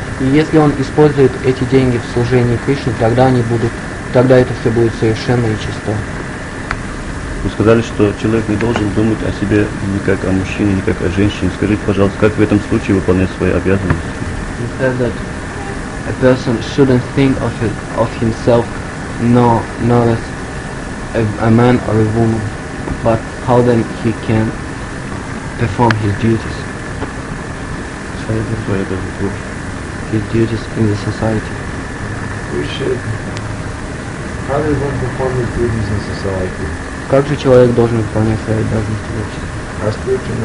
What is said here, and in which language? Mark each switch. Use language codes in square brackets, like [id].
[ru] И если он использует эти деньги в служении Кришне, тогда это все будет совершенно и чисто. Вы сказали, что человек не должен думать о себе ни как о мужчине, ни как о женщине. Скажите, пожалуйста, как в этом случае выполнять свои обязанности? [en] You said that a person shouldn't think of himself, not as a man or a woman, but how then he can perform his duties? [ru] Свои обязанности. [en] His duties in the society. We should. How does one perform his duties in society? [ru] Как же человек должен выполнять свои обязанности в обществе?